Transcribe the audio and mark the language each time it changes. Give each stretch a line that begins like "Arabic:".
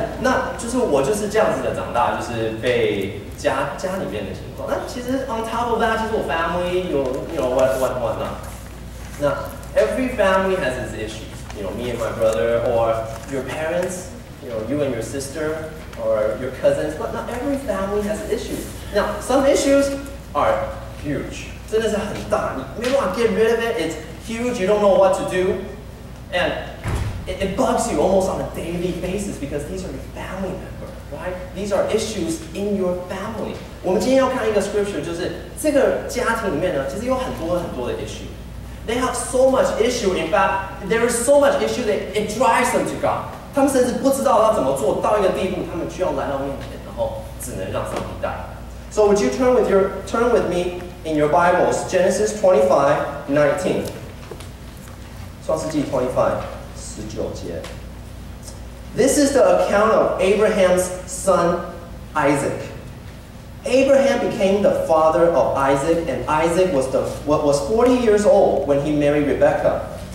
Chinese: 那就是我就是这样子的长大，就是被家里面的情况。那其实
English: on top of that，
Chinese: 就是我 family 有
English: you know what
Chinese: 啊？
English: 那 every family has its issues， you know me and my brother or your parents， you know you and your sister or your cousins， but not every family has issues。 Now some issues are huge，
Chinese: 真的是很大，你没办法
English: get rid of it， it's huge， you don't know what to do， and it bugs you almost on a daily basis because these are your family member， right？ These are issues in your family。
Chinese: 我们今天要看一个 scripture， 就是这个家庭里面呢，其实有很多很多的 issue。
English: They have so much issue， in fact there is so much issue that it drives them to God。
Chinese: 他们甚至不知道要怎么做，到一个地步他们需要来到面前，然后只能让上帝带。
English: So would you turn with me in your Bibles, Genesis 25:19.
Chinese: 创世记 25:19.
English: This is the account of Abraham's son Isaac. Abraham became the father of Isaac, and Isaac was 40 years old when he married Rebecca.